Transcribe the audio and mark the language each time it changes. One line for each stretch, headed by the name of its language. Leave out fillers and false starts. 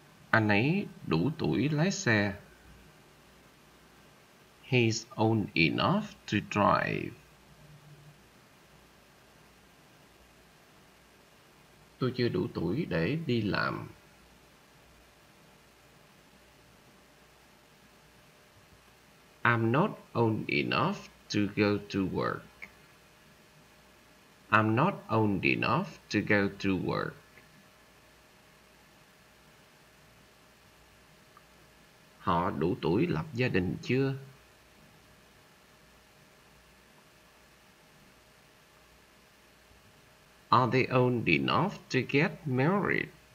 Vietnamese: Anh ấy đủ tuổi lái xe.
English: He's old enough to drive.
Vietnamese: Tôi chưa đủ tuổi để đi làm.
English: I'm not old enough to go to work. I'm not old enough to go to work.
Vietnamese: Họ đủ tuổi lập gia đình chưa?
English: Are they old enough to get married?